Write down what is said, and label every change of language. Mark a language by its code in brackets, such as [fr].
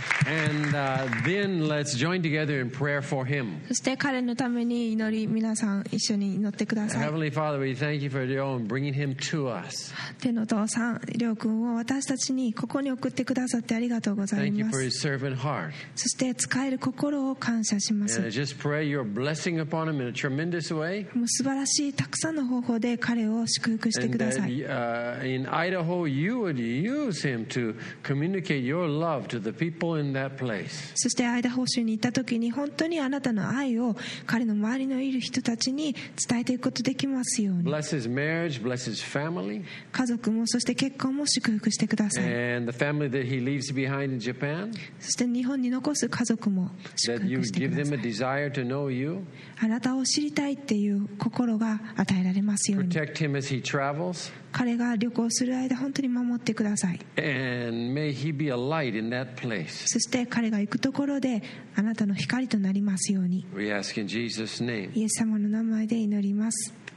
[en] And then let's join together in prayer for him. [ja] そして彼のために祈り、皆さん一緒に祈ってください。 [en] Heavenly Father, we thank you for Ryo and bringing him to us. [ja] 天の父さん、りょう君を私たちにここに送ってくださってありがとうございます。 [en] Thank you for his servant heart. [ja] そして使える心を感謝します。 [en] And just pray your blessing upon him in a tremendous way. [ja] もう素晴らしいたくさんの方法で彼を祝福してください。 [en] And in Idaho, you would use him to communicate your love to the people in that. [ja] そしてアイダホ州に行った時に本当にあなたの愛を彼の周りのいる人たちに伝えていくことができますように。 [en] Bless his marriage, bless his family. [ja] 家族もそして結婚も祝福してください。 [en] And the family that he leaves behind in Japan. [ja] そして日本に残す家族も祝福してください。 [en] That you give them a desire to know you. [ja] あなたを知りたいっていう心が与えられますように。 [en] Protect him as he travels. [ja] 彼が旅行する間本当に守ってください。 [en] And may he be a light in that place. [ja] そして彼が行くところであなたの光となりますように。 [en] We ask in Jesus' name. [ja] イエス様の名前で祈ります。